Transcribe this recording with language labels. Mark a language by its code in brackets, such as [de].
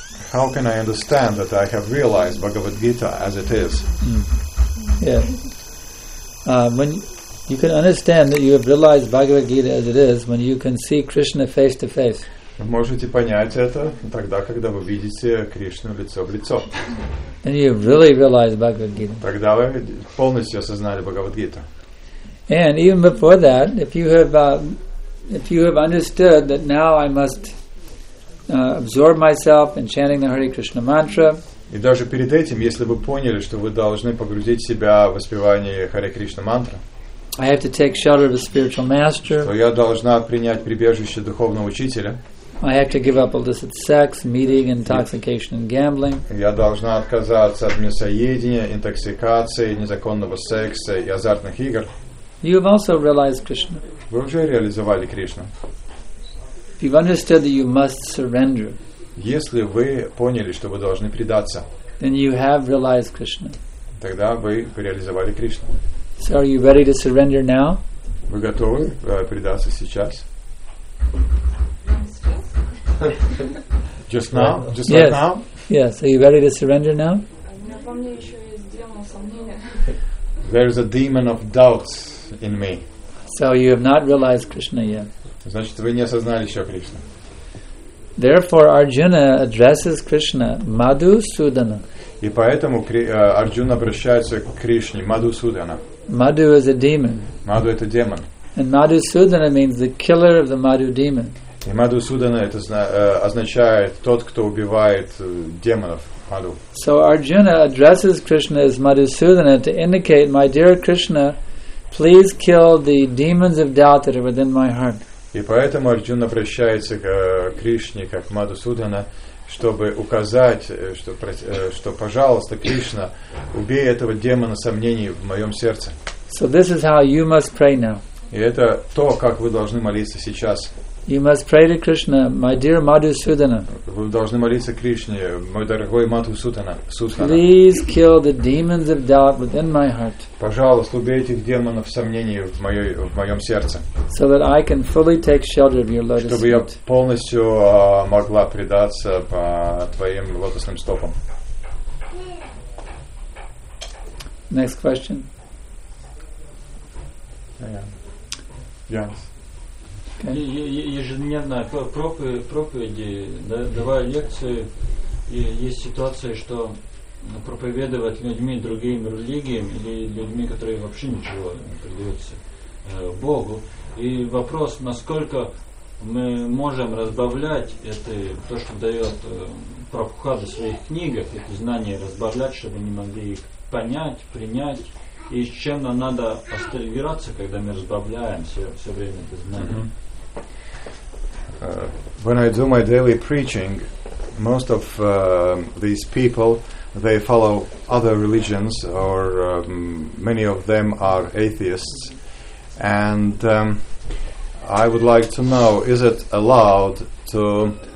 [en] How can I understand that I have realized Bhagavad Gita as it is? Mm. Yeah. When you can understand that you have realized Bhagavad Gita as it is, when you can see Krishna face to face. [ru] Вы можете понять это тогда, когда вы видите Кришну лицо в лицо. [en] And you really realize Bhagavad Gita. [ru] Тогда вы полностью осознали Бхагавад Гиту. [en] And even before that, if you have understood that now I must absorb myself in chanting the Hare Krishna mantra. [ru] И даже перед этим, если вы поняли, что вы должны погрузить себя в воспевание Харе Кришна мантры. [en] I have to take shelter of a spiritual master. [ru] Что я должна принять прибежище духовного учителя. [en] I have to give up illicit sex, meeting, intoxication, and gambling. [ru] Я должна отказаться от мясоедения, интоксикации, незаконного секса и азартных игр. [en] You have also realized Krishna. [ru] Вы уже реализовали Кришну. [en] If you've understood that you must surrender. [ru] Если вы поняли, что вы должны предаться. [en] Then you have realized Krishna. [ru] Тогда вы реализовали Кришну. [en] So are you ready to surrender now? [ru] Вы готовы предаться сейчас? [en] Just now? Just yes. Right now? Yes. Are you ready to surrender now? There is a demon of doubts in me. So you have not realized Krishna yet. [ru] Значит, вы не осознали еще Кришну. [en] Therefore, Arjuna addresses Krishna, Madhusudana. [ru] И поэтому Арджуна обращается к Кришне, Madhusudana. [en] Madhu is a demon. [ru] Madhu это демон. [en] And Madhusudana means the killer of the Madhu demon. [ru] И Мадхусудана это означает тот, кто убивает демонов Мадху. [en] So Arjuna addresses Krishna as Madhusudana to indicate, my dear Krishna, please kill the demons of doubt that are within my heart. [ru] И поэтому Арджуна обращается к Кришне как Мадхусудана, чтобы указать, что пожалуйста, Кришна, убей этого демона сомнений в моем сердце. [en] So this is how you must pray now. [ru] И это то, как вы должны молиться сейчас. [en] You must pray to Krishna, my dear Madhusudana. [ru] Вы должны молиться Кришне, мой дорогой Мадхусудана. [en] Please kill the demons of doubt within my heart. [ru] Пожалуйста, убей этих демонов сомнений в моем сердце. [en] So that I can fully take shelter of your lotus feet. [ru] Чтобы я полностью могла предаться по твоим лотосным стопам. [en] Next question. Yes. [ru] Ежедневно проповеди, давая лекции, и есть ситуация, что проповедовать людьми другими религиями или людьми, которые вообще ничего не предаются Богу. И вопрос, насколько мы можем разбавлять это, то, что дает Прабхупада в своих книгах, эти знания разбавлять, чтобы они могли их понять, принять. И с чем нам надо остерегироваться, когда мы разбавляем все время эти знания. [en] When I do my daily preaching, most of these people, they follow other religions, or many of them are atheists, and I would like to know, is it allowed to